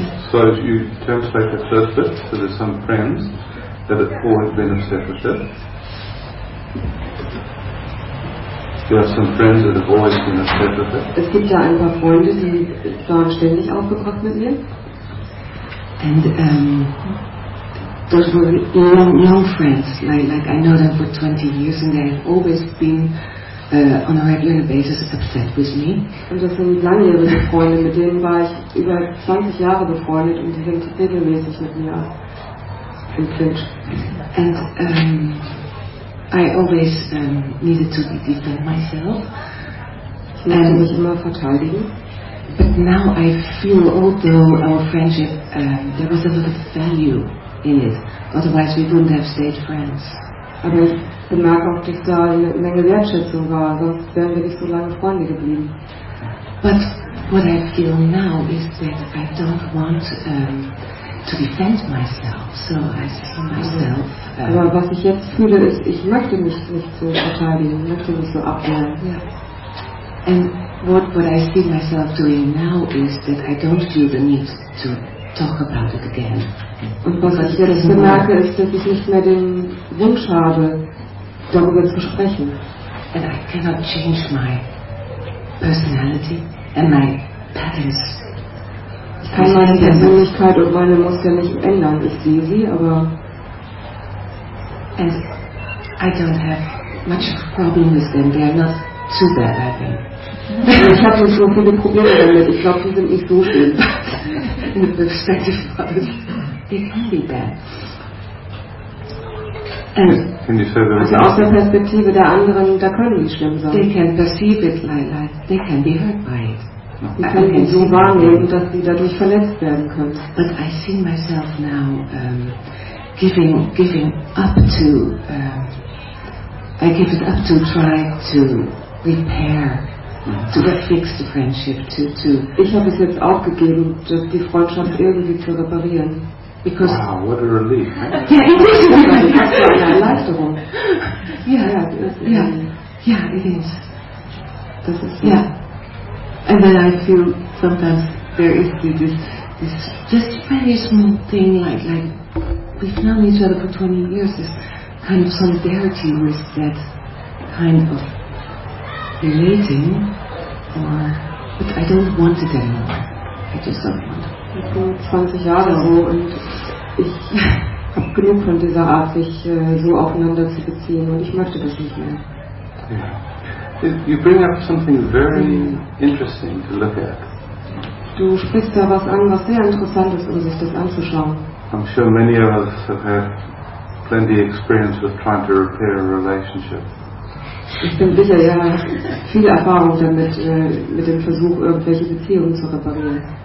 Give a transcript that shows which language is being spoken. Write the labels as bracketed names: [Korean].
[English] So you translate that first bit, so there's some friends that have always been upset with it. There are some friends that have always been upset with it. [German] Es gibt ja ein paar Freunde, die waren ständig aufgebracht mit mir. [English] And those were young friends, like I know them for 20 years and they have always been on a regular basis upset with me. [German] Und das sind langjährige Freunde, mit denen war ich über 20 Jahre befreundet und die sind regelmäßig mit mir im Clinch. [English] And I always needed to defend myself. [German] Ich musste mich immer verteidigen. [English] But now I feel, although our friendship, there was a lot of value in it. Otherwise we wouldn't have stayed friends. [German] Aber ich bemerke auch, dass da eine Menge Wertschätzung war, sonst wären wir nicht so lange Freunde geblieben. [English] But what I feel now is that I don't want to defend myself, so I see myself. [German] Aber was ich jetzt fühle, ist, ich möchte mich nicht so verteidigen, ich möchte mich so abwehren. [English] Yeah. And what I see myself doing now is that I don't feel the need to talk about it again. [German] Und was ich jetzt bemerke, ist, dass ich nicht mehr den Wunsch habe, darüber zu sprechen. [English] And I cannot change my personality and my patterns. [German] Ich kann meine Persönlichkeit und meine Muster nicht ändern. Ich sehe sie, aber... [English] And I don't have much problem with them. They are not too bad, I think. [German] Ich habe so viele Probleme damit. Ich glaube, die sind nicht so schön. [English] In the perspective of it. They can be bad. [German] Also aus der Perspektive der anderen, da können die schlimm sein. [English] They can perceive it like they can be hurt by it. [German] Sie können so wahrnehmen, dass sie dadurch verletzt werden können. [English] But I see myself now giving up to I give it up to try to repair, to fix the friendship. [German] Ich habe es jetzt aufgegeben, die Freundschaft irgendwie zu reparieren. [English] Because wow, what a relief. Yeah, it is. And then I feel sometimes there is this just very small thing like we've known each other for 20 years, this kind of solidarity with that kind of relating, or but I don't want it anymore. I just don't want it. [German] Ich bin 20 Jahre so und ich habe genug von dieser Art, sich so aufeinander zu beziehen und ich möchte das nicht mehr. [English] Yeah. You bring up something very interesting to look at. Du sprichst da was an, was sehr interessant ist, um sich das anzuschauen. I'm sure many of us have had plenty of experience with trying to repair a relationship. [German] Ich bin sicher, ja, viel Erfahrung damit, mit dem Versuch, irgendwelche Beziehungen zu reparieren.